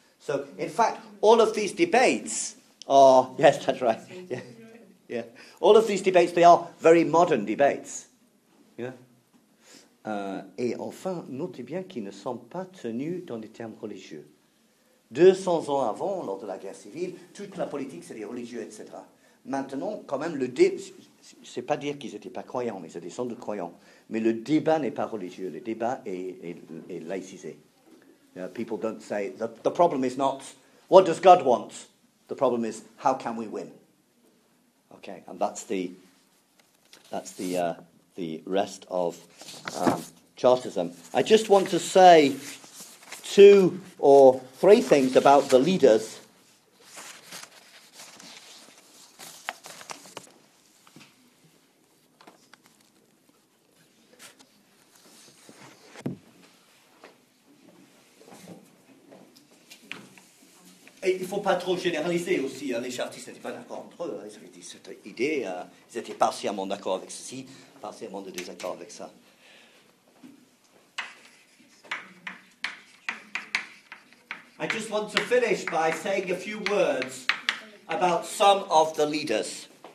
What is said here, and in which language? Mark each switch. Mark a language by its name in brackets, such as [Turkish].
[English] So, in fact, all of these debates are... Yes, that's right. Yeah. All of these debates, they are very modern debates. Yeah. [French] Et enfin, notez bien qu'ils ne sont pas tenus dans des termes religieux. 200 ans avant, lors de la guerre civile, toute la politique, c'était religieux, etc. Maintenant, quand même, c'est pas dire qu'ils n'étaient pas croyants, mais ils étaient sans doute croyants. Mais le débat n'est pas religieux. Le débat est laïcisé. [English] People don't say, the problem is not, what does God want? The problem is, how can we win? Okay, and that's the rest of Chartism. I just want to say two or three things about the leaders. [French] Et il ne faut pas trop généraliser aussi. Hein. Les chartistes n'étaient pas d'accord entre eux. Ils avaient dit cette idée. Ils étaient partiellement d'accord avec ceci, partiellement de désaccord avec ça. [English] I just want to finish by saying a few words about some of the leaders.